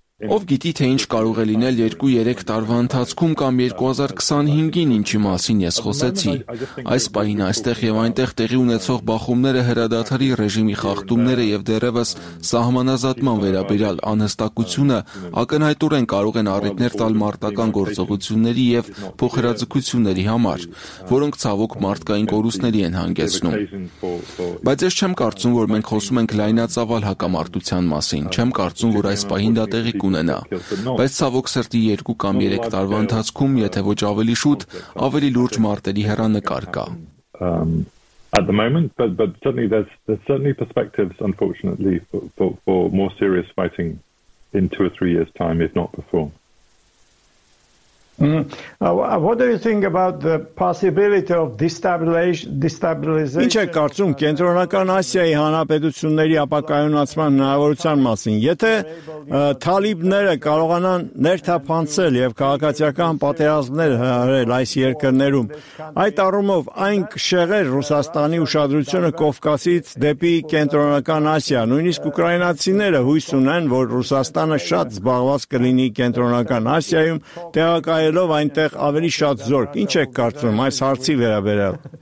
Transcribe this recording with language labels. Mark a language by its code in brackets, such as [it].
[hy] Ով գիտի, թե ինչ կարող է լինել 2-3 տարվա ընթացքում կամ 2025-ին, ինչի մասին ես խոսեցի։ Այս պահին այստեղ եւ այնտեղ տեղի ունեցող բախումները, հրադադարի ռեժիմի խախտումները եւ դերևս սահմանազատման վերաբերյալ անհստակությունը ակնհայտորեն կարող են առիթներ տալ մարտական գործողությունների եւ փոխհրաձգությունների համար, որոնք ցավոք մարտկային կորուստների են հանգեցնում։ Բայց ես չեմ կարծում, որ մենք խոսում ենք լայնածավալ հակամարտության մասին։ Չեմ կարծում, որ այս պահին դա տեղի կունենա։ Բայց ցավոք սրտի 2 կամ 3 տարվա ընթացքում, եթե ոչ ավելի շուտ, ավելի լուրջ մարտերի հեռանկար կա։ [en] At the moment, but certainly there's certainly perspectives, unfortunately, for more serious fighting in 2 or 3 years time, if not before. What do you think about the possibility of destabilization? [hy] Ինչ եք կարծում կենտրոնական Ասիայի հանրապետությունների ապակայունացման հնարավորության մասին, եթե Թալիբները կարողանան ներթափանցել եւ քաղաքացիական պատերազմներ հրել այս երկրներում, այդ առումով այն կշեղեր Ռուսաստանի ուշադրությունը Կովկասից դեպի կենտրոնական Ասիա, նույնիսկ ուկրաինացիները հույս ունեն, որ Ռուսաստանը շատ զբաղված կլինի կենտրոնական Ասիայում, տեղակայ այլով այնտեղ ավելի շատ զորք։ Ինչ եք կարծում այս հարցի վերաբերյալ?